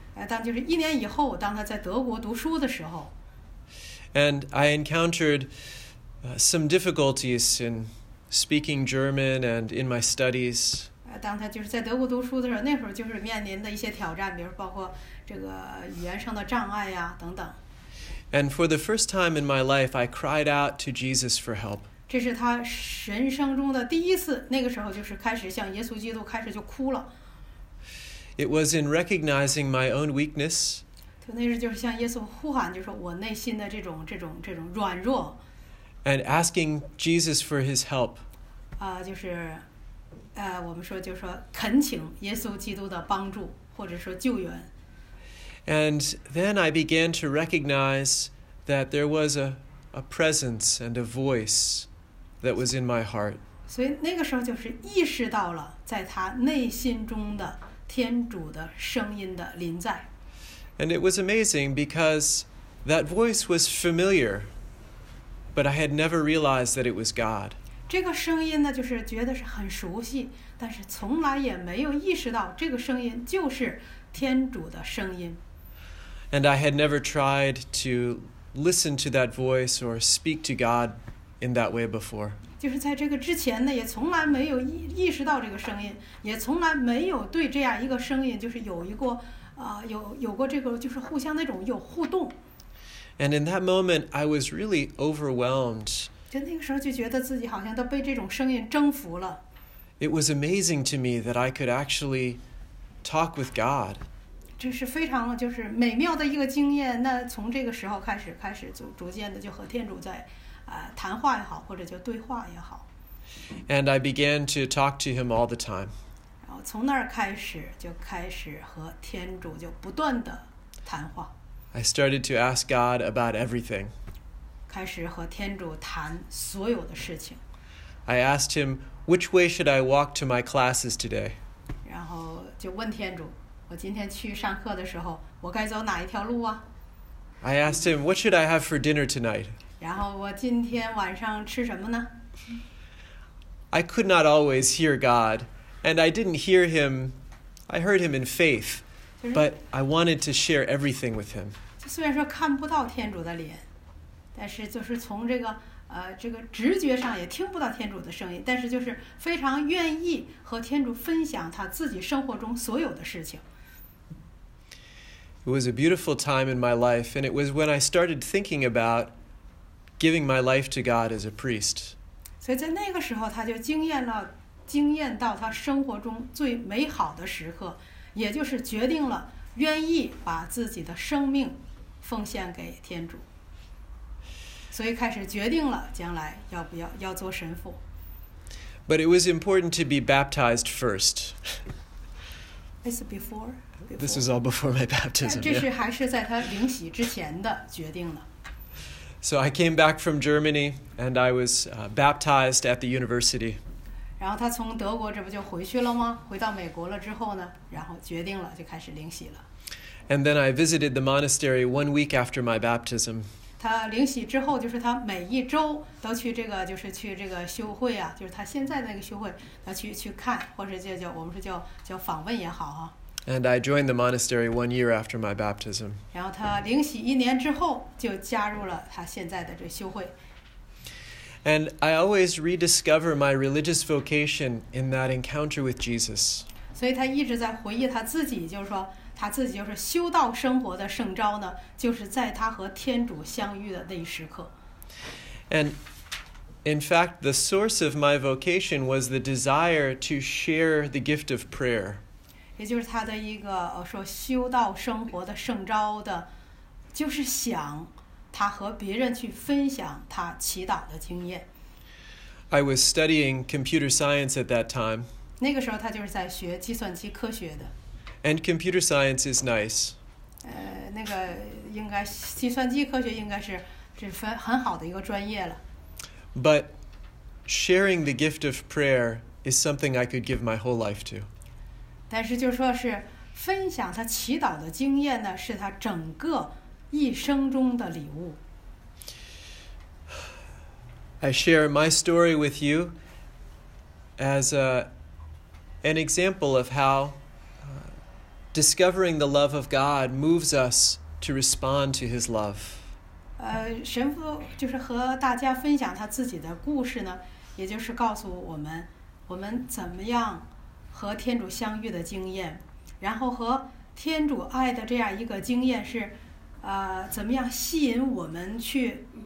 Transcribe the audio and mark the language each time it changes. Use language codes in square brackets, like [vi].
[zh] 但就是一年以后，当他在德国读书的时候。 [en] And I encountered some difficulties in speaking German and in my studies. [zh] 当他就是在德国读书的时候，那时候就是面临的一些挑战，比如包括这个语言上的障碍呀，等等。 [en] And for the first time in my life, I cried out to Jesus for help. [zh] 这是他人生中的第一次，那个时候就是开始向耶稣基督开始就哭了。 [en] It was in recognizing my own weakness. [zh] 那是就是向耶稣呼喊，就是说我内心的这种软弱。 [en] And asking Jesus for his help. [zh] 就是，我们说就是说恳请耶稣基督的帮助或者说救援。 [en] And then I began to recognize that there was a presence and a voice that was in my heart. [zh] 所以那个时候就是意识到了在他内心中的。天主的声音的临在。 [en] And it was amazing because that voice was familiar, but I had never realized that it was God. [zh] 这个声音呢，就是觉得是很熟悉，但是从来也没有意识到这个声音就是天主的声音。 [en] And I had never tried to listen to that voice or speak to God in that way before. [zh] 就是在这个之前呢，也从来没有意识到这个声音，也从来没有对这样一个声音就是有一个有过这个就是互相那种有互动。 [en] And in that moment, I was really overwhelmed. [zh] 就那个时候就觉得自己好像都被这种声音征服了。 [en] It was amazing to me that I could actually talk with God. [zh] 这是非常就是美妙的一个经验。那从这个时候开始就逐渐的就和天主在。谈话也好，或者就对话也好。 [en] And I began to talk to him all the time. [zh] 然后从那儿开始，就开始和天主就不断的谈话。 [en] I started to ask God about everything. [zh] 开始和天主谈所有的事情。 [en] I asked him, which way should I walk to my classes today? [zh] 然后就问天主，我今天去上课的时候，我该走哪一条路啊？ [en] I asked him, what should I have for dinner tonight? [zh] 然后我今天晚上吃什么呢？ [en] I could not always hear God, and I didn't hear him. I heard him in faith, but I wanted to share everything with him. [zh] 虽然说看不到天主的脸，但是就是从这个直觉上也听不到天主的声音，但是就是非常愿意和天主分享他自己生活中所有的事情。 [en] It was a beautiful time in my life, and it was when I started thinking about. Giving my life to God as a priest. [zh] 所以在那个时候，他就经验到他生活中最美好的时刻，也就是决定了愿意把自己的生命奉献给天主。所以开始决定了将来要做神父。 [en] But it was important to be baptized first. It's before. This is all before my baptism. [zh] 这是还是在他灵洗之前的决定了。 [en] So I came back from Germany, and I was baptized at the university. [zh] 然后他从德国这不就回去了吗？回到美国了之后呢，然后决定了就开始灵洗了。 [en] And then I visited the monastery 1 week after my baptism. [zh] 他灵洗之后，就是他每一周都去这个，就是去这个修会啊，就是他现在的那个修会，他去看，或者叫我们说叫访问也好啊。 [en] And I joined the monastery 1 year after my baptism. [zh] 然后他灵洗一年之后就加入了他现在的这修会。 [en] And I always rediscover my religious vocation in that encounter with Jesus. [zh] 所以他一直在回忆他自己，就是说他自己就是修道生活的圣招呢，就是在他和天主相遇的那一时刻。 [en] And in fact, the source of my vocation was the desire to share the gift of prayer. [zh] 也就是他的一个说修道生活的圣招的，就是想他和别人去分享他祈祷的经验。 [en] I was studying computer science at that time. [zh] 那个时候他就是在学计算机科学的。 [en] And computer science is nice. [zh] 那个应该计算机科学应该是这分很好的一个专业了。 [en] But sharing the gift of prayer is something I could give my whole life to. [zh] 但是就说是分享他祈祷的经验呢，是他整个一生中的礼物。 [en] I share my story with you as an example of how discovering the love of God moves us to respond to His love. [zh] 神父就是和大家分享他自己的故事呢，也就是告诉我们，我们怎么样和天主相遇的经验，然后和天主爱的这样一个经验是，怎么样吸引我们去。